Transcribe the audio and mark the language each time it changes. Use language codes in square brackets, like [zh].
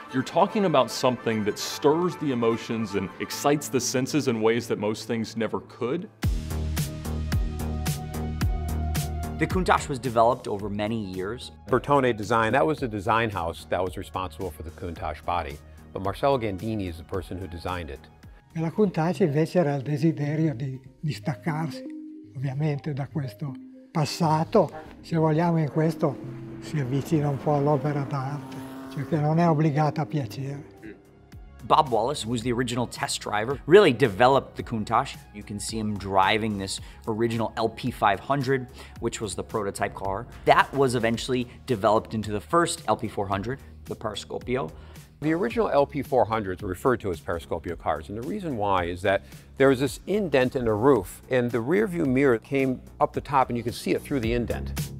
[en] You're talking about something that stirs the emotions and excites the senses in ways that most things never could. The Countach was developed over many years. Bertone Design, that was the design house that was responsible for the Countach body. But Marcello Gandini is the person who designed it. [it] La Countach invece era il desiderio di distaccarsi, ovviamente, da questo passato. Se vogliamo in questo si avvicina un po' all'opera d'arte, cioè che non è obbligata a piacere. [en] Bob Wallace, who was the original test driver, really developed the Countach. You can see him driving this original LP500, which was the prototype car. That was eventually developed into the first LP400, the Periscopio. The original LP400s were referred to as Periscopio cars, and the reason why is that there was this indent in the roof, and the rear view mirror came up the top, and you could see it through the indent.